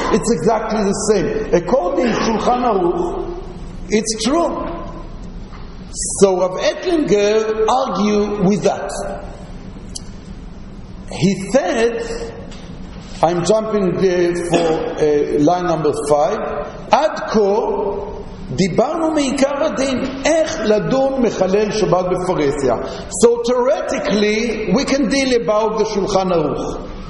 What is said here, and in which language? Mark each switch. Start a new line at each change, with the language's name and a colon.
English: It's exactly the same. According to Shulchan Aruch, it's true. So Rav Ettlinger argued with that. He said, I'm jumping for line number 5.
Hebrew: עד כה דיברנו מעיקר הדין איך לדון מחלל שבת בפרסיה.
English: So theoretically we can deal about the Shulchan Aruch.